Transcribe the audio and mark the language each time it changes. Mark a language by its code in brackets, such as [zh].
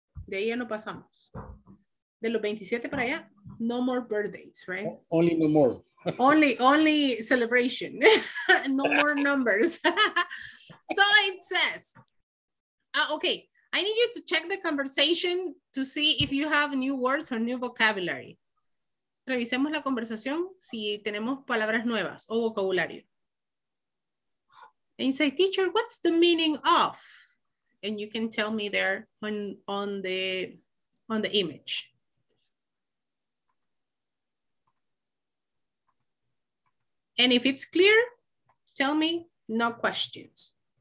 [es] De ahí ya no pasamos. De los 27 para allá, [en] no more birthdays, right? Only no more. only celebration. No more numbers. So it says, okay. I need you to check the conversation to see if you have new words or new vocabulary. [es] Revisemos la conversación si tenemos palabras nuevas o vocabulario. [en] And you say, teacher, what's the meaning of? And you can tell me there on the image. And if it's clear, tell me, no questions.